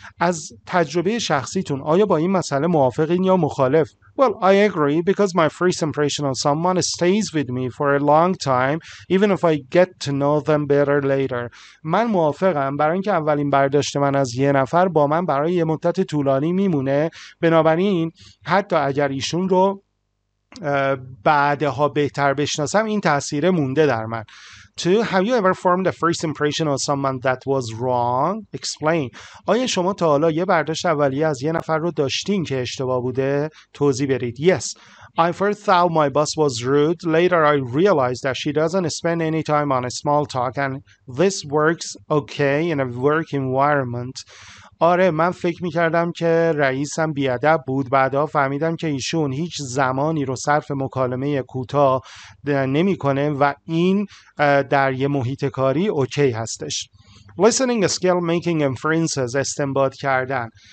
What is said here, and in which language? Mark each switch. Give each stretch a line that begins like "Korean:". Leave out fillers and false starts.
Persian: از تجربه شخصیتون آیا با این مسئله موافقین یا مخالف؟
English: Well, I agree because my first impression of someone stays with me for a long time, even if I get to know them better later.
Persian: من موافقم، برای اینکه اولین برداشت من از یه نفر با من برای یه مدت طولانی میمونه، بنابراین حتی اگر ایشون رو بعدها بهتر بشناسم این تأثیر مونده در من.
English: 2. Have you ever formed a first impression of someone that was wrong? Explain.
Persian: آیا شما تا حالا یه برداشت اولیه از یه نفر رو داشتین که اشتباه بوده؟ توضیح بدید.
English: Yes. I first thought my boss was rude. Later I realized that she doesn't spend any time on a small talk and this works okay in a work environment.
Persian: آره من فکر میکردم که رئیسم بیادب بود، بعدها فهمیدم که ایشون هیچ زمانی رو صرف مکالمه کوتاه نمی کنه و این در یه محیط کاری اوکی هستش.
English: Listening skill, making inferences,
Persian: استنباط کردن.